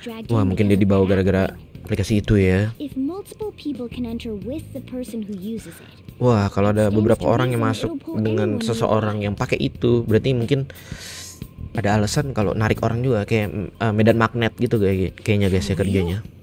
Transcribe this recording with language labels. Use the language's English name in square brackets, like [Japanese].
[Indonesian] Wah, mungkin dia dibawa gara-gara aplikasi itu ya. [English] If multiple people can enter with the person who uses it. [Indonesian] Wah, kalau ada beberapa orang yang masuk dengan seseorang yang pakai itu, berarti mungkin ada alasan kalau narik orang juga kayak medan magnet gitu kayaknya guys ya kerjanya.